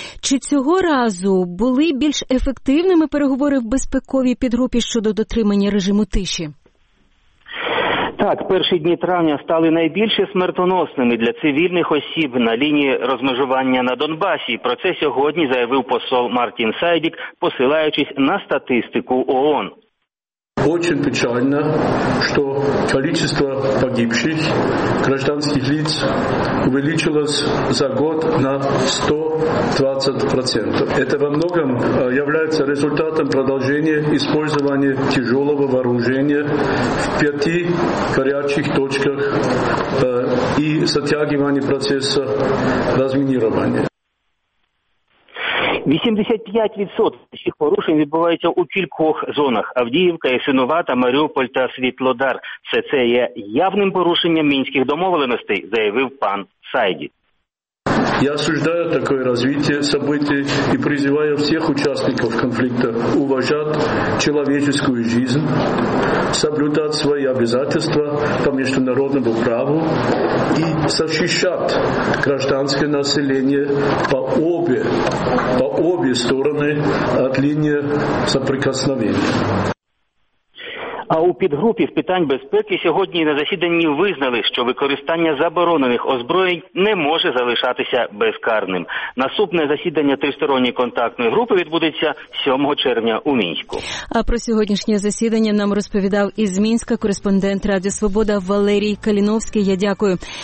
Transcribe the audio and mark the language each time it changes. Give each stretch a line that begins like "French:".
Ukrainian: Чи цього разу були більш ефективними переговори в безпековій підгрупі щодо дотримання режиму тиші? Так, перші дні травня стали найбільш смертоносними для цивільних осіб на лінії розмежування на Донбасі. Про це сьогодні заявив посол Мартін Сайдік, посилаючись на статистику ООН.
Russian: Очень печально, что количество погибших гражданских лиц увеличилось за год на 120%. Это во многом является результатом продолжения использования тяжелого вооружения в 5 горячих точках и затягивания процесса разминирования.
Ukrainian: 85% всіх порушень відбувається у кількох зонах: Авдіївка, Ясинувата, Маріуполь та Світлодар. Все це є явним порушенням мінських домовленостей, заявив пан Сайді.
Russian: Я осуждаю такое развитие событий и призываю всех участников конфликта уважать человеческую жизнь, соблюдать свои обязательства по международному праву и защищать гражданское население по обе стороны от линии соприкосновения.
Ukrainian: А у підгрупі з питань безпеки сьогодні на засіданні визнали, що використання заборонених озброєнь не може залишатися безкарним. Наступне засідання тристоронньої контактної групи відбудеться 7 червня у Мінську. А про сьогоднішнє засідання нам розповідав із Мінська кореспондент Радіо Свобода Валерій Каліновський. Я дякую.